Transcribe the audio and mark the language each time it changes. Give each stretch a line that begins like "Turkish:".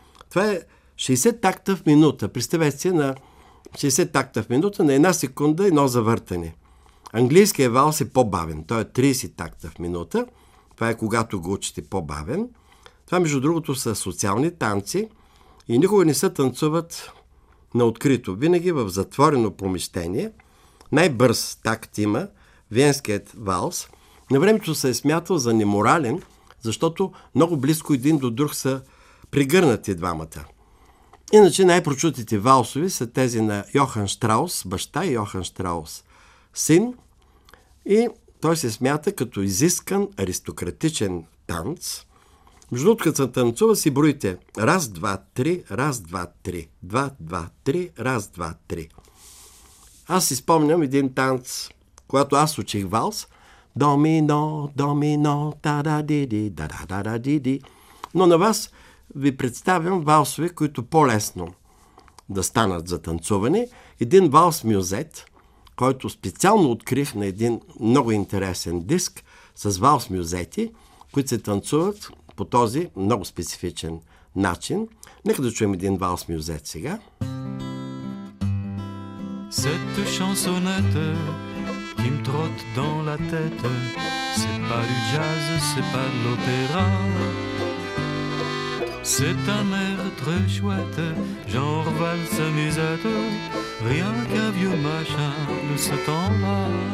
Bulgarian: Това е 60 такта в минута. Представете си, на 60 такта в минута, на една секунда едно завъртане. Английският валс е по-бавен. Той е 30 такта в минута. Това е когато го учите по-бавен. Това, между другото, са социални танци и никога не се танцуват на открито. Винаги в затворено помещение. Най-бърз такт има венският валс. На времето се е смятал за неморален, защото много близко един до друг са пригърнати двамата. Иначе най-прочутите валсови са тези на Йохан Щраус, баща и Йохан Щраус, син. И той се смята като изискан аристократичен танц. Между другото, като се танцува, си броите. Раз, два, три, раз, два, три. Два, два, три, раз, два, три. Аз си спомням един танц, когато аз учих валс. Домино, домино, та-да-ди-ди, да-да-да-ди-ди. Но на вас ви представям валсове, които по-лесно да станат за танцуване. Един валс мюзет, който специално открих на един много интересен диск с валс мюзети, които се танцуват по този много специфичен начин. Нека да чуем един валс мюзет сега.
French: Cette chansonnette qui me trotte dans la tête, c'est pas du jazz, c'est pas de l'opéra. C'est un air très chouette, genre valse musette, rien qu'un vieux machin de ce temps-là.